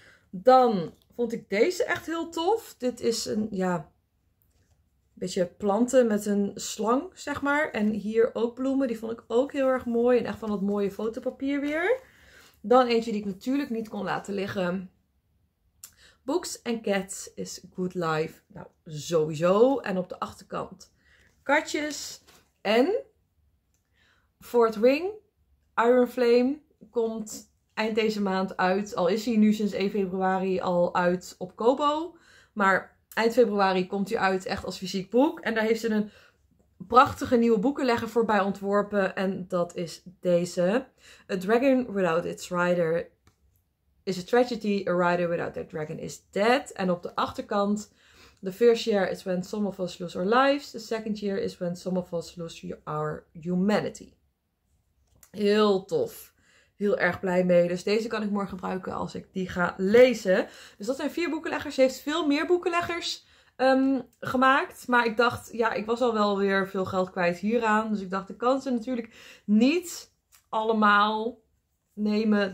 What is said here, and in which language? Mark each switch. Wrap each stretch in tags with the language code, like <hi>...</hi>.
<nl>Dan vond ik deze echt heel tof. Dit is een, ja, een beetje planten met een slang, zeg maar. En hier ook bloemen. Die vond ik ook heel erg mooi. En echt van dat mooie fotopapier weer. Dan eentje die ik natuurlijk niet kon laten liggen.</nl> <en>Books and Cats is Good Life.</en> <nl>Nou, sowieso. En op de achterkant katjes. En Fourth Wing, Iron Flame, komt eind deze maand uit. Al is hij nu sinds 1 februari al uit op Kobo. Maar eind februari komt hij uit echt als fysiek boek. En daar heeft ze een prachtige nieuwe boekenlegger voor bij ontworpen. En dat is deze.</nl> <en>A Dragon Without Its Rider is a Tragedy. A Rider Without Their Dragon is Dead.</en> <nl>En op de achterkant,</nl> <en>the first year is when some of us lose our lives. The second year is when some of us lose our humanity.</en> <nl>Heel tof. Heel erg blij mee. Dus deze kan ik morgen gebruiken als ik die ga lezen. Dus dat zijn 4 boekenleggers. Ze heeft veel meer boekenleggers gemaakt. Maar ik dacht, ja, ik was al wel weer veel geld kwijt hieraan. Dus ik dacht, ik kan ze natuurlijk niet allemaal nemen.</nl>